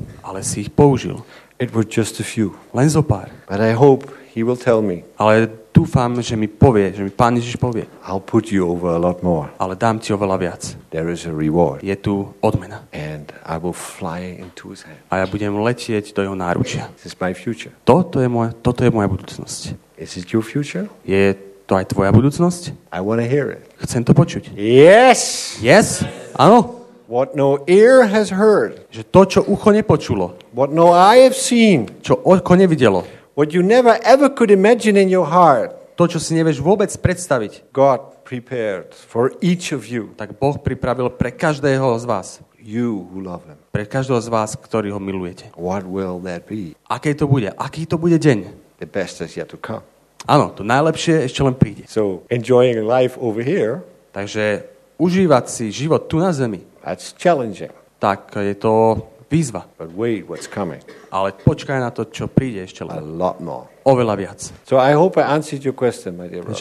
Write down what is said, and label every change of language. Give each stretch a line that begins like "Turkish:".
Slovak: Ale si ich použil.
English: It was just a few.
Slovak: Len zo pár.
English: But I hope he will tell me.
Slovak: Ale dúfam, že mi povie, že mi Pán Ježiš povie.
English: I'll put you over a lot more.
Slovak: Ale dám ti oveľa viac.
English: There is a reward.
Slovak: Je tu odmena.
English: And I will fly into his hands.
Slovak: A ja budem letieť do jeho náručia.
English: This is my future.
Slovak: Toto je moja budúcnosť.
English: Is it your future?
Slovak: Je to aj tvoja budúcnosť?
English: I want to hear it.
Slovak: Chcem to počuť.
English: Yes! Yes!
Slovak: Áno.
English: What no ear has heard.
Slovak: Že to, čo ucho nepočulo.
English: What no eye have seen.
Slovak: Čo oko nevidelo.
English: What you never ever could imagine in your heart.
Slovak: To, čo si nevieš vôbec predstaviť.
English: God prepared for each of you.
Slovak: Tak Boh pripravil pre každého z vás.
English: You who love him.
Slovak: Pre každého z vás, ktorý ho milujete.
English: What will that be?
Slovak: Aké to bude? Aký to bude deň?
English: The best is yet to come.
Slovak: Áno, to najlepšie ešte len príde.
English: So enjoying life over here.
Slovak: Takže užívať si život tu na zemi.
English: That's challenging.
Slovak: Tak je to výzva.
English: But wait, what's coming?
Slovak: Ale počkaj na to, čo príde ešte len.
English: A lot more.
Slovak: Oveľa viac.
English: So I hope I answered your question, my dear brother.